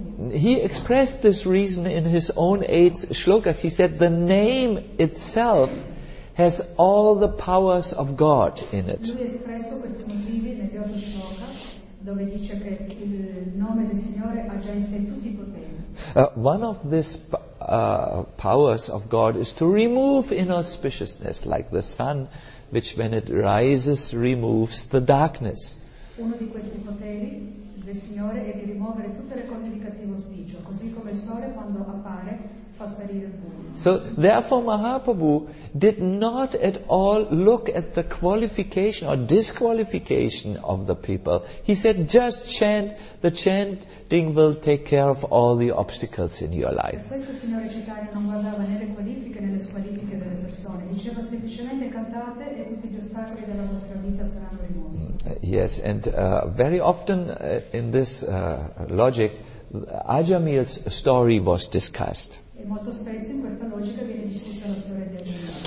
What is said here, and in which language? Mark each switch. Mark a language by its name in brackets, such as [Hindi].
[English] He expressed this reason in his own 8 shlokas. He said the name itself has all the powers of God in it. [Italian] Lui ha espresso questi motivi negli 8 shloka, dove dice che il nome del Signore ha già in sé tutti i poteri. [English] One of these powers of God is to remove inauspiciousness, like the sun, which when it rises removes the darkness. [Italian] Uno di questi poteri del Signore è di rimuovere tutte le cose di cattivo auspicio, così come il sole quando appare fa sparire il buio. [English] So therefore Mahaprabhu did not at all look at the qualification or disqualification of the people. He said just chant, the chanting will take care of all the obstacles in your life. [Italian] Per questo il Signore Chaitanya non guardava né le qualifiche né le squalifiche delle persone, diceva semplicemente cantate e tutti gli ostacoli della vostra vita saranno rimossi. [English] Yes, and very often in this logic, Ajamil's story was discussed. [Italian] E molto spesso in questa logica viene discussa la storia di Ajamil.